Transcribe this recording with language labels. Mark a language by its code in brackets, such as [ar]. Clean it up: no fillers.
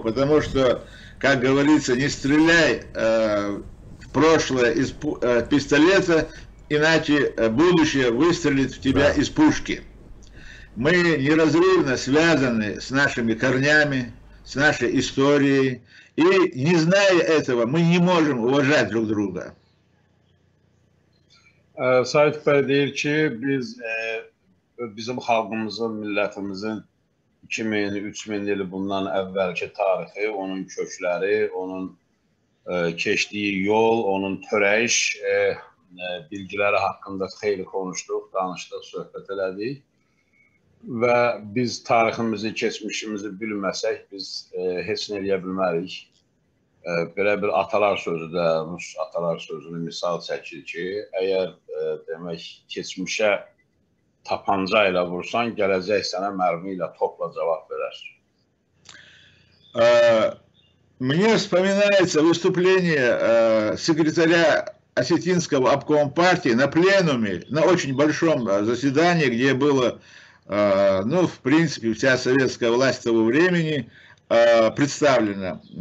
[ru] Потому что, как говорится, не стреляй в прошлое из пистолета, иначе будущее выстрелит в тебя из пушки. Мы неразрывно связаны с нашими корнями, с нашей историей. И не зная этого, мы не можем уважать друг друга. [az] Sait Bey deyir ki, biz bizim xalqımızın, millətimizin 2000, 3000 il bundan əvvəlki tarixi, onun kökləri, onun keçdiyi yol, onun törəyiş bilgiləri haqqında xeyli konuşduq, danışdıq, söhbət elədik. Və biz tariximizi, keçmişimizi bilməsək, biz heç nə eləyə bilmərik. Belə bir atalar sözü də, Rus atalar sözünü misal çəkir ki, əgər demək keçmişə tapanca ilə vursan, gələcək sənə mərmi ilə topla cavab verər. [ru] Мне вспоминается выступление секретаря Осетинского обкома партии на пленуме, на очень большом заседании, где было, ну, в принципе, вся советская власть того времени представлена.